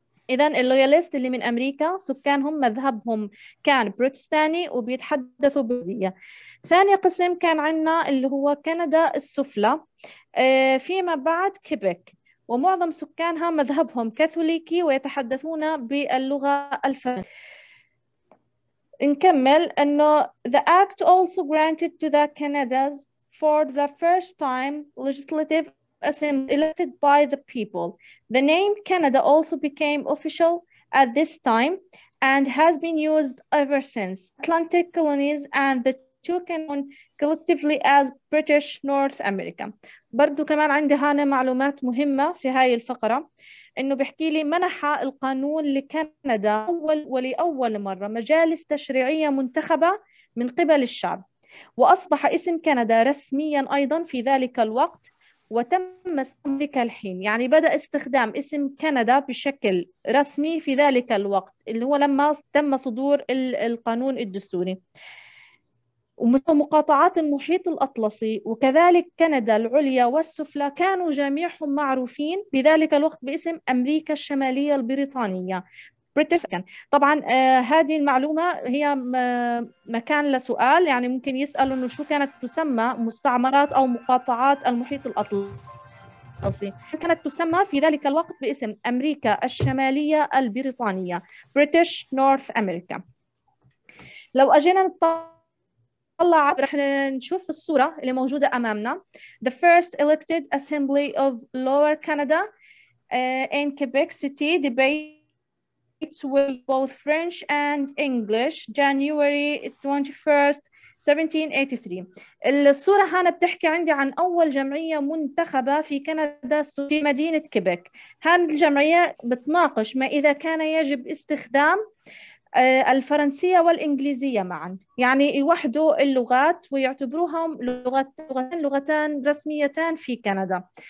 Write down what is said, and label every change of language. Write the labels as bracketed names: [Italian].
[Arabic] إذا اللويالست اللي من أمريكا سكانهم مذهبهم كان بروتستاني وبيتحدثوا بالإنجليزية. ثاني قسم كان عندنا اللي هو كندا السفلى فيما بعد كيبك، ومعظم سكانها مذهبهم كاثوليكي ويتحدثون باللغة الفرنسية. نكمل إنه [English] the act also granted to the Canadas for the first time legislative assembly elected by the people. The name Canada also became official at this time and has been used ever since. Atlantic colonies and the two Canadas collectively as British North America. [Arabic] برضو كمان عندي هنا معلومات مهمة في هاي الفقرة، إنه بيحكي لي منح القانون لكندا أول ولأول مرة مجالس تشريعية منتخبة من قبل الشعب، وأصبح اسم كندا رسميا أيضا في ذلك الوقت، وتم ذلك الحين يعني بدأ استخدام اسم كندا بشكل رسمي في ذلك الوقت اللي هو لما تم صدور القانون الدستوري. ومقاطعات المحيط الأطلسي وكذلك كندا العليا والسفلى كانوا جميعهم معروفين بذلك الوقت باسم أمريكا الشمالية البريطانية. طبعا هذه المعلومة هي مكان لسؤال، يعني ممكن يسأل انه شو كانت تسمى مستعمرات او مقاطعات المحيط الأطلسي. كانت تسمى في ذلك الوقت باسم أمريكا الشمالية البريطانية British North America. لو اجينا نطلع رح نشوف الصورة اللي موجودة امامنا. [English] The first elected assembly of Lower Canada in Quebec City debate It's with both French and English, January 21st, 1783. [Arabic] الصورة هنا بتحكي عندي عن أول جمعية منتخبة في كندا في مدينة كيبك. هذه الجمعية بتناقش ما إذا كان يجب استخدام الفرنسية والإنجليزية معا، يعني يوحدوا اللغات ويعتبروهم لغتان رسميتان في كندا.